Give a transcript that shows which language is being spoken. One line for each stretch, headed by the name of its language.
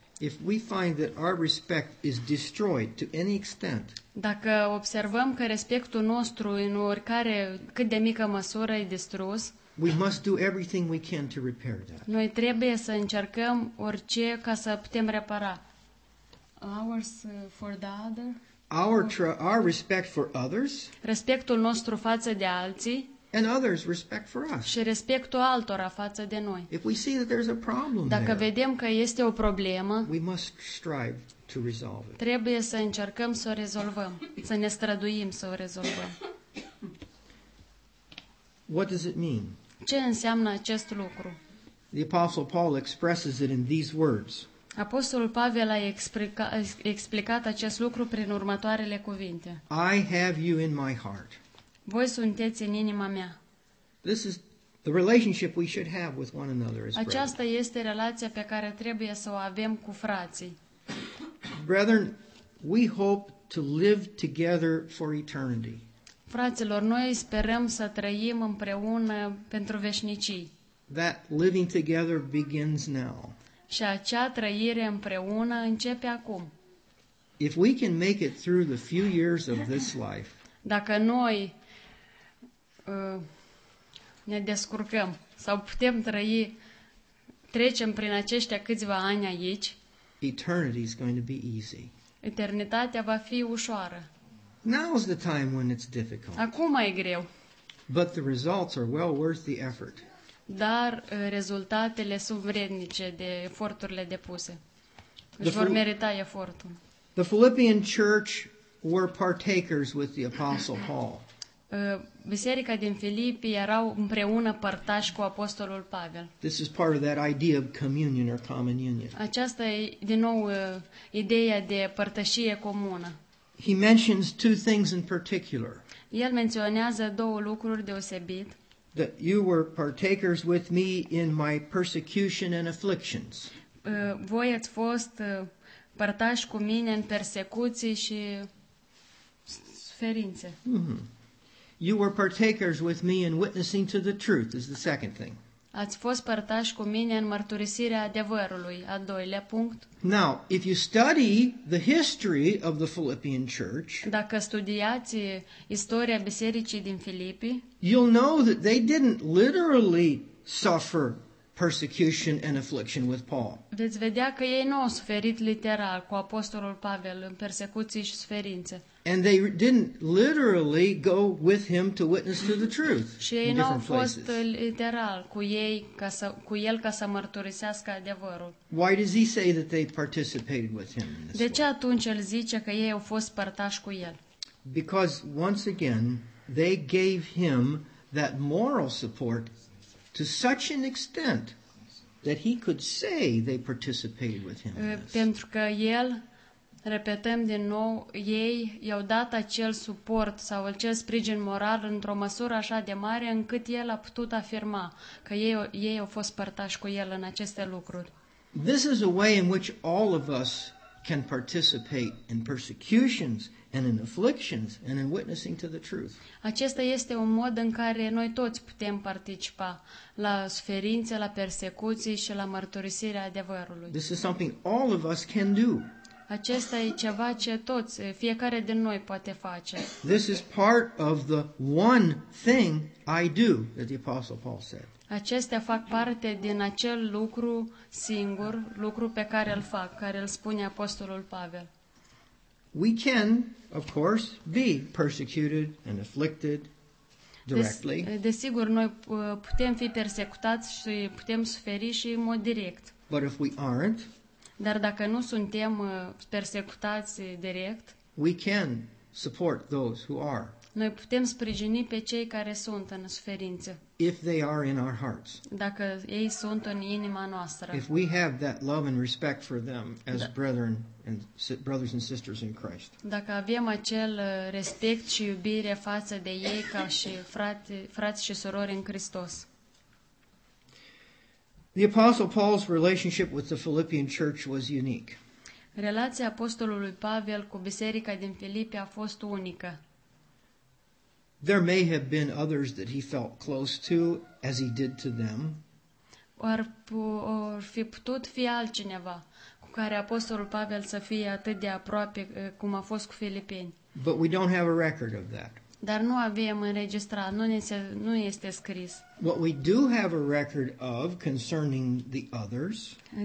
English: If we find that our respect is destroyed to any extent.
Romanian: Dacă observăm că respectul nostru în oricare cât de mică măsură e distrus.
English: We must do everything we can to repair that.
Romanian: Noi trebuie să încercăm orice ca să putem repara.
English: Ours for the other. Our respect for others.
Romanian: Respectul nostru față de alții.
English: And others respect for us.
Romanian: Și respectul altora față de noi.
English: If we see that there's a problem,
Romanian: dacă vedem că este o problemă,
English: we must strive to resolve it.
Romanian: Trebuie să încercăm să o rezolvăm, să ne străduim să o rezolvăm.
English: What does it mean?
Romanian: Ce înseamnă acest lucru?
English: The Apostle Paul expresses it in these words.
Romanian: Apostolul Pavel a explicat acest lucru prin următoarele cuvinte.
English: I have you in my heart.
Romanian: Voi sunteți în inima mea.
English: This is the relationship we should have with one another as brethren.
Romanian: Aceasta este relația pe care trebuie să o avem cu frații.
English: Brethren, we hope to live together for eternity.
Romanian: Fraților, noi sperăm să trăim împreună pentru veșnicii.
English: That living together begins now.
Romanian: Și acea trăire împreună începe acum.
English: If we can make it through the few years of this life.
Romanian: Dacă noi ne descurcăm sau putem trăi, trecem prin aceștia câțiva ani aici,
English: eternity is going to be easy.
Romanian: Eternitatea va fi ușoară.
English: Now's the time when it's difficult.
Romanian: Acum e greu.
English: But the results are well worth the effort.
Romanian: Dar rezultatele sunt vrednice de eforturile depuse. Își vor merita efortul.
English: The Philippian church were partakers with the apostle Paul.
Romanian: Biserica din Filipi erau împreună părtași cu apostolul Pavel.
English: This is part of that idea of communion or common union.
Romanian: Aceasta e din nou ideea de părtășie comună.
English: He mentions two things in particular.
Romanian: El menționează două lucruri deosebit.
English: That you were partakers with me in my persecution and afflictions.
Romanian: Voi ați fost părtași cu mine în persecuții și suferințe. Mm-hmm.
English: You were partakers with me in witnessing to the truth is the second thing.
Romanian: Ați fost părtași cu mine în mărturisirea adevărului, al doilea punct.
English: Now, if you study the history of the Philippian church,
Romanian: dacă studiați istoria bisericii din Filipi,
English: you'll know that they didn't literally suffer persecution and affliction with Paul.
Romanian: Veți vedea că ei nu au suferit literal cu apostolul Pavel în persecuții și suferințe.
English: And they didn't literally go with him to witness to the truth.
Romanian: Și ei n-au fost literal cu ei ca să cu el ca să mărturisească adevărul.
English: Why does he say that they participated with him in this?
Romanian: De ce atunci el zice că ei au fost părtași cu el?
English: Because once again they gave him that moral support to such an extent that he could say they participated with him.
Romanian: Pentru că el, repetăm din nou, ei i-au dat acel suport sau acel sprijin moral într-o măsură așa de mare încât el a putut afirma că ei au fost părtași cu el în aceste lucruri.
English: This is a way in which all of us can participate in persecutions and in afflictions and in witnessing to the truth.
Romanian: Acesta este un mod în care noi toți putem participa la suferințe, la persecuții și la mărturisirea adevărului.
English: This is something all of us can do.
Romanian: Acesta e ceva ce toți, fiecare din noi poate face.
English: This is part of the one thing I do that the apostle Paul said.
Romanian: Acestea fac parte din acel lucru singur, lucru pe care îl fac, care îl spune apostolul Pavel.
English: We can, of course, be persecuted and afflicted directly.
Romanian: Desigur, noi putem fi persecutați și putem suferi și în mod direct.
English: But if we aren't,
Romanian: dar dacă nu suntem persecutați direct,
English: we can support those who are.
Romanian: Noi putem sprijini pe cei care sunt în suferință.
English: If they are in our hearts.
Romanian: Dacă ei sunt în inima noastră.
English: If we have that love and respect for them as brothers and sisters in Christ.
Romanian: Dacă avem acel respect și iubire față de ei ca și frați și surori în Hristos.
English: The Apostle Paul's relationship with the Philippian church was unique.
Romanian: Relația apostolului Pavel cu biserica din Filipi a fost unică.
English: There may have been others that he felt close to, as he did to them.
Romanian: Or fi putut fi altcineva cu care apostolul Pavel să fie atât de aproape cum a fost cu filipeni.
English: But we don't have a record of that.
Romanian: Dar nu avem înregistrat, nu este scris.
English: What we do have a record of concerning the others.